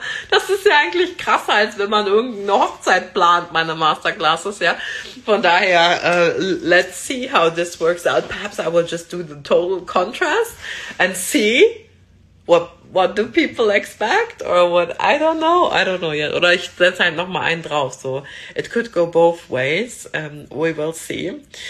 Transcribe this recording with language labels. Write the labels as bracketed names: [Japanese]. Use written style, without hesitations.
[German] Das ist ja eigentlich krasser, als wenn man irgendeine Hochzeit plant, meine Masterclasses, ja. Von daher, [English] let's see how this works out. Perhaps I will just do the total contrast and see what do people expect or what, I don't know yet. [German] Oder ich setze halt nochmal einen drauf, so. [English] It could go both ways, we will see.